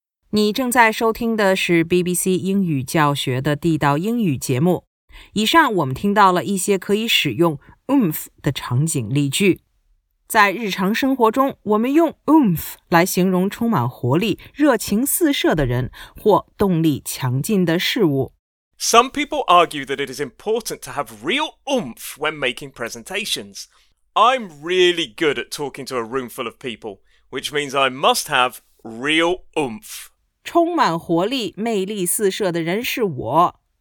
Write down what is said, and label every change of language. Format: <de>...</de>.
<zh>你正在收听的是 BBC 英语教学的地道英语节目。以上我们听到了一些可以使用 oomph 的场景例句。在日常生活中，我们用 oomph 来形容充满活力、热情四射的人或动力强劲的事物。</zh> <en>Some people argue that it is important to have real oomph when making presentations. I'm really good at talking to a room full of people, which means I must have... Real oomph.</en> <zh>充满活力、魅力四射的人是我。</zh>